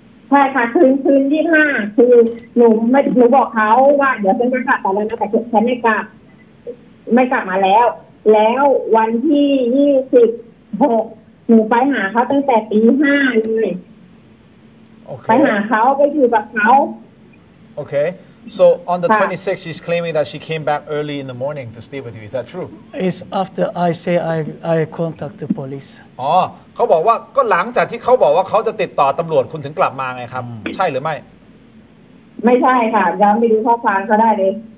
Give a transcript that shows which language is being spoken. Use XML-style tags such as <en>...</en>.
<th>ใช่ค่ะคืนที่5คือหนูบอกเขาว่าเดี๋ยวฉันจะกลับแล้วนะแต่ฉันไม่กลับมาแล้ววันที่26หนูไปหาเขาตั้งแต่ตี5เลย โอเค ไปหาเขาไปอยู่กับเขา</th> <en>Okay, so on the 26th, she's claiming that she came back early in the morning to stay with you. Is that true? It's after I say I contact the police.</en> <th>Oh, เขาบอกว่าก็หลังจากที่เขาบอกว่าเขาจะติดต่อตำรวจคุณถึงกลับมาไงครับ ใช่หรือไม่ไม่ใช่ค่ะย้อนไปดูข้อความก็ได้เลย</th>